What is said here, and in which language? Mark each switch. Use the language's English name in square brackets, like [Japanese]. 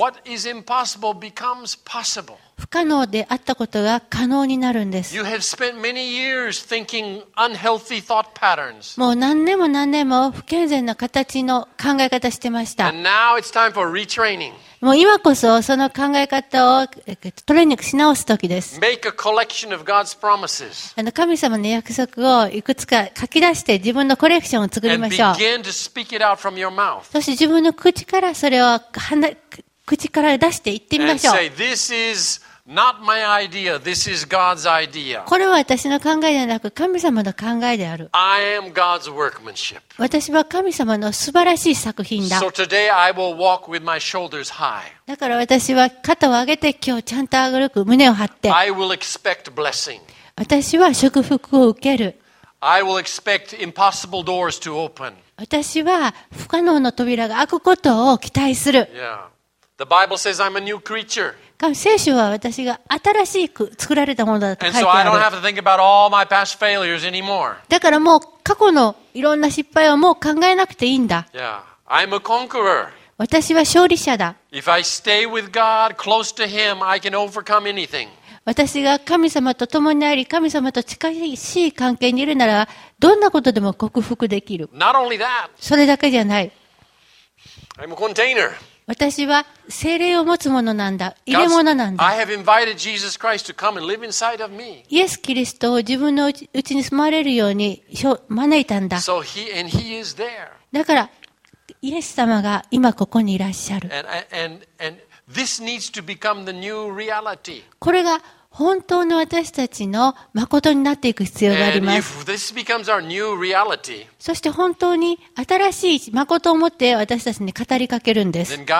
[English] What is impossible becomes possible. [Japanese] 不可能であったことが可能になるんです。 [English] You have spent many years thinking unhealthy thought patterns. [Japanese] もう何年も何年も不健全な形の考え方してました。 [English] And now it's time for retraining. [Japanese] もう今こそその考え方をトレーニングし直す時です。 [English] Make a collection of God's promises. [Japanese] 神様の約束をいくつか書き出して自分のコレクションを作りましょう。 [English] And begin to speak it out from your mouth. [Japanese] そして自分の口からそれを話す。口から出して言ってみましょう。 [English] And say, this is not my idea, this is God's idea. [Japanese] これは私の考えではなく神様の考えである。 [English] I am God's workmanship. [Japanese] 私は神様の素晴らしい作品だ。 [English] So today I will walk with my shoulders high. [Japanese] だから私は肩を上げて今日ちゃんと上がる、胸を張って。 [English] I will expect blessing. [Japanese] 私は祝福を受ける。 [English] I will expect impossible doors to open. [Japanese] 私は不可能の扉が開くことを期待する。 [English] Yeah. The Bible says I'm a new creature. [Japanese] 聖書は私が新しく作られたものだと書いてある。 [English] And so I don't have to think about all my past failures anymore. [Japanese] だからもう過去のいろんな失敗はもう考えなくていいんだ。 [English] Yeah, I'm a conqueror. [Japanese] 私は勝利者だ。 [English] If I stay with God, close to Him, I can overcome anything. [Japanese] 私が神様と共にあり、神様と近しい関係にいるなら、どんなことでも克服できる。 [English] Not only that. [Japanese] それだけじゃない。 [English] I'm a container. [Japanese] 私は聖霊を持つものなんだ、入れ物なんだ。 [English] I have invited Jesus Christ to come and live inside of me. [Japanese] イエス・キリストを自分のうちに住まれるように招いたんだ。 [English] So he and he is there. [Japanese] だからイエス様が今ここにいらっしゃる。 [English] And this needs to become the new reality. [Japanese] これが本当の私たちの誠になっていく必要があります。 [English] Reality, [Japanese] そして本当に新しい誠を持って私たちに語りかけるんです。